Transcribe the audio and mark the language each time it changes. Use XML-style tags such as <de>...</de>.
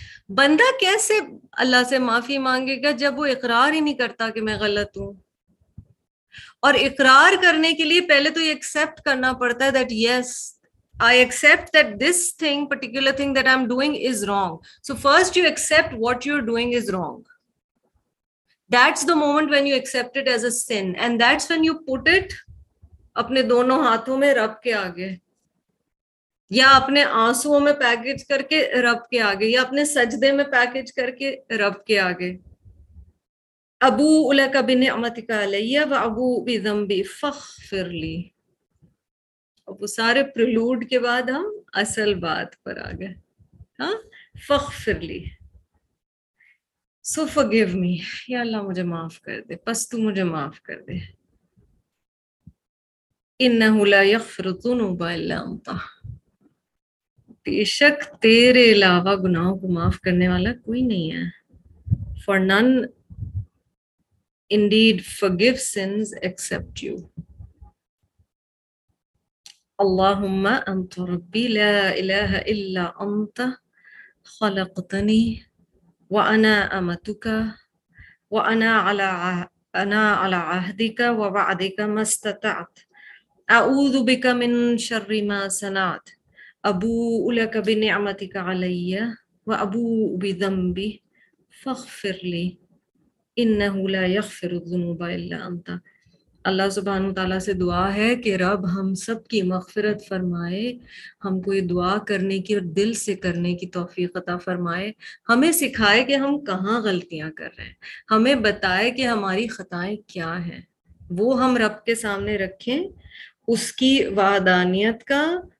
<hi>बंदा कैसे अल्लाह से माफी मांगेगा जब वो इकरार ही नहीं करता कि मैं गलत हूँ. और इकरार करने के लिए पहले तो ये एक्सेप्ट करना पड़ता है</hi> <en>That yes I accept that this thing, particular thing that I'm doing is wrong. So first you accept what you're doing is wrong. That's the moment when you accept it as a sin. And that's when you put it अपने दोनों हाथों में रब के आगे या अपने आंसुओं में पैकेज करके रब के आगे या अपने सजदे में पैकेज करके रब के आगे.</en> <ar>अबू उलका बिने अमतिका अलैया व अबू बिज़म्बी फ़ग़फ़िरली.</ar> <hi>अब वो सारे प्रलूड के बाद हम असल बात पर आ गए.</hi> <en>हाँ</en> <ar>फ़ग़फ़िरली</ar> <en>So forgive me.</en> <hi>या अल्लाह मुझे माफ कर दे बस तू मुझे माफ कर दे.</hi> <ar>इन्नहु ला यग़फ़िरु ज़ुनूबा इल्ला अंता.</ar> <hi>बेशक तेरे अलावा गुनाहों को माफ करने वाला कोई नहीं है.</hi> <en>For none indeed forgive sins except you.</en> <ar>اللهم أنت ربي لا إله إلا أنت خلقتني وأنا أمتك وأنا على أنا على عهدك ووعدك ما استطعت. أعوذ بك من شر ما صنعت. أبوء لك بنعمتك علي وأبوء بذنبي فاغفر لي إنه لا يغفر الذنوب إلا أنت.</ar> <hi>अल्लाह सुबहानु ताला से दुआ है कि रब हम सब की मग़फ़िरत फरमाए हमको ये दुआ करने की और दिल से करने की तौफीक अता फरमाए. हमें सिखाए कि हम कहाँ गलतियाँ कर रहे हैं. हमें बताए कि हमारी खताएं क्या हैं. वो हम रब के सामने रखें उसकी वादानियत का</hi>